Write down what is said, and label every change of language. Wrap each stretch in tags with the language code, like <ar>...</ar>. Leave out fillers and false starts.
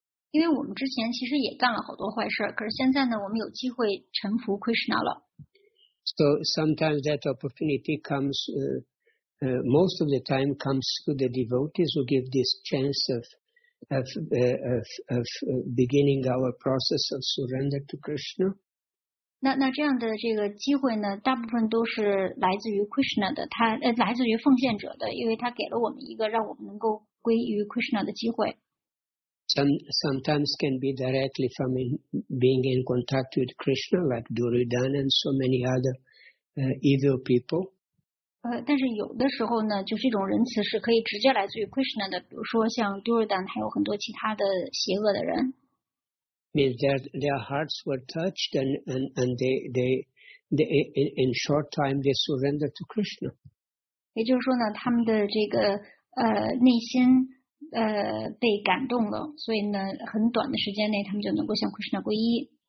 <zh>因为我们之前其实也干了好多坏事，可是现在呢，我们有机会臣服 Krishna 了。</zh> <en>So sometimes that opportunity comes. Most of the time comes to the devotees who give this chance of beginning our process of surrender to Krishna.</en> <zh>那这样的这个机会呢，大部分都是来自于 Krishna 的，来自于奉献者的，因为他给了我们一个让我们能够归于 Krishna 的机会。</zh> <en>Sometimes can be directly from being in contact with Krishna, like Duryodhana and so many other evil people.</en> <zh>但是有的时候呢，就这种仁慈是可以直接来自于 Krishna 的，比如说像 Duryodhana 还有很多其他的邪恶的人。</zh> <en>Means their hearts were touched and they in short time they surrendered to Krishna.</en> <zh>也就是说呢，他们的这个内心被感动了，所以呢，很短的时间内他们就能够向 Krishna 皈依。</zh>